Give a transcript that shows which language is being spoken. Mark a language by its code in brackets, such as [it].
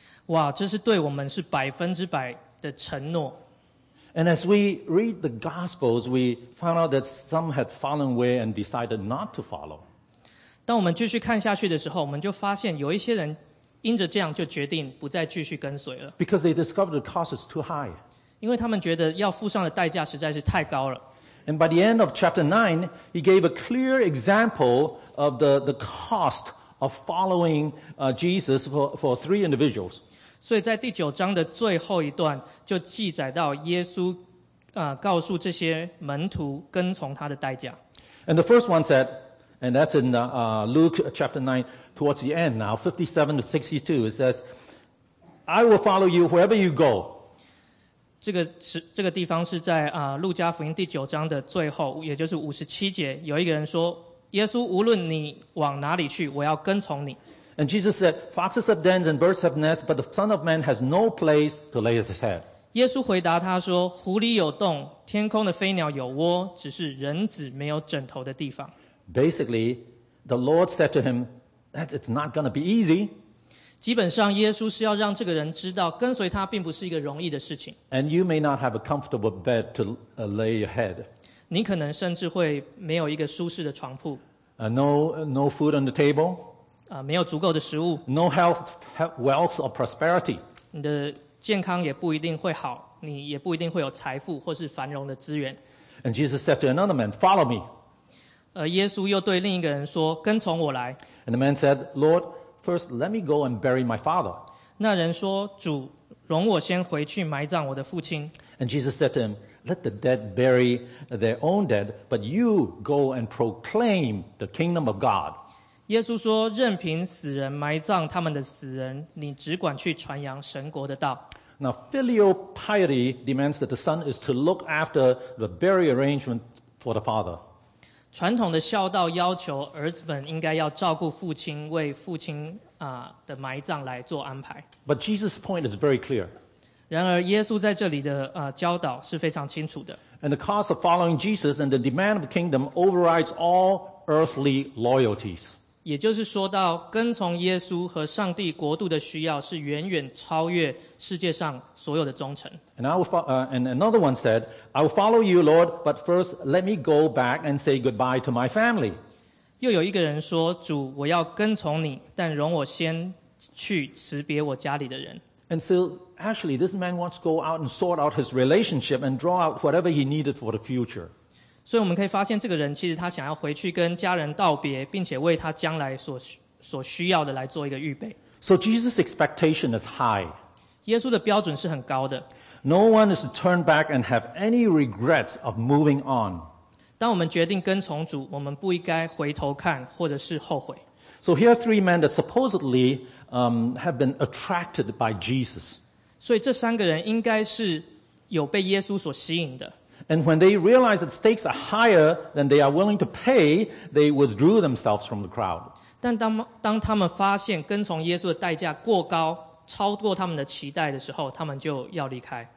[zh] 哇，这是对我们是百分之百的承诺。 [en] And as we read the Gospels, we found out that some had fallen away and decided not to follow. [zh] 当我们继续看下去的时候，我们就发现有一些人因着这样就决定不再继续跟随了。 [en] Because they discovered the cost is too high. [zh] 因为他们觉得要付上的代价实在是太高了。 [en] And by the end of chapter 9, he gave a clear example of the cost of following Jesus for three individuals. [zh] 所以在第九章的最后一段就记载到耶稣告诉这些门徒跟从他的代价。 [en] And the first one said, and that's in Luke chapter 9, towards the end now, 57 to 62, it says, I will follow you wherever you go. [zh] 这个地方是在路加福音第九章的最后，也就是五十七节，有一个人说：“耶稣，无论你往哪里去，我要跟从你。” [en] And Jesus said, "Foxes have dens and birds have nests, but the Son of Man has no place to lay his head." [zh] 耶稣回答他说：“狐狸有洞，天空的飞鸟有窝，只是人子没有枕头的地方。” [en] Basically, the Lord said to him, "That it's not going to be easy." [zh] 基本上耶稣是要让这个人知道跟随他并不是一个容易的事情。 [en] And you may not have a comfortable bed to lay your head. [zh] 你可能甚至会没有一个舒适的床铺。 [en] No food on the table. [zh] 没有足够的食物。 [en] No health, wealth or prosperity. [zh] 你的健康也不一定会好，你也不一定会有财富或是繁荣的资源。 [en] And Jesus said to another man, follow me. [zh] 耶稣又对另一个人说，跟从我来。 [en] And the man said, Lord,First, let me go and bury my father. [zh] 那人说，主，容我先回去埋葬我的父亲。 [en] And Jesus said to him, let the dead bury their own dead, but you go and proclaim the kingdom of God. [zh] 耶稣说，任凭死人埋葬他们的死人，你只管去传扬神国的道。 [en] Now, filial piety demands that the son is to look after the burial arrangement for the father. [zh] 传统的孝道要求儿子们应该要照顾父亲，为父亲的埋葬来做安排。 [en] But Jesus' point is very clear. [zh] 然而耶稣在这里的教导是非常清楚的。 [en] And the cost of following Jesus and the demand of the kingdom overrides all earthly loyalties. [zh] 也就是说到跟从耶稣和上帝国度的需要是远远超越世界上所有的忠诚。 [en] And another one said, I will follow you, Lord, but first let me go back and say goodbye to my family. [zh] 又有一个人说，主，我要跟从你，但容我先去辞别我家里的人。 [en] And so, actually, this man wants to go out and sort out his relationship and draw out whatever he needed for the future. [zh] 所以我们可以发现，这个人其实他想要回去跟家人道别，并且为他将来所需要的来做一个预备。 [en] So Jesus' expectation is high. [zh] 耶稣的标准是很高的。 [en] No one is to turn back and have any regrets of moving on. [zh] 当我们决定跟从主，我们不应该回头看或者是后悔。 [en] So here are three men that supposedly have been attracted by Jesus. [zh] 所以这三个人应该是有被耶稣所吸引的。 [en] And when they realize that stakes are higher than they are willing to pay, they withdrew themselves from the crowd. [zh] 但当他们发现跟从耶稣的代价过高，超过他们的期待的时候，他们就要离开。